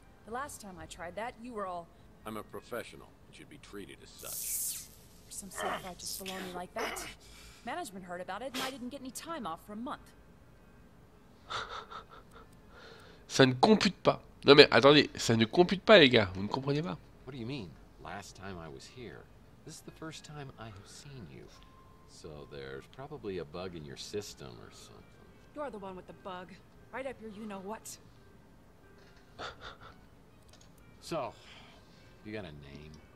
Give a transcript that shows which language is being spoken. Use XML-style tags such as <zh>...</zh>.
<en>The last time I tried that, you were all... I'm a professional. You should be treated as such. For some self-righteous baloney like that. Management heard about it and I didn't get any time off for a month.</en> <fr>Ça ne compute pas. Non mais attendez, ça ne compute pas les gars, vous ne comprenez pas.</fr> <en>What do you mean? Last time I was here. This is the first time I have seen you. So there's probably a bug in your system or something. You're the one with the bug. Right up your you know what. So, you got a name?</en>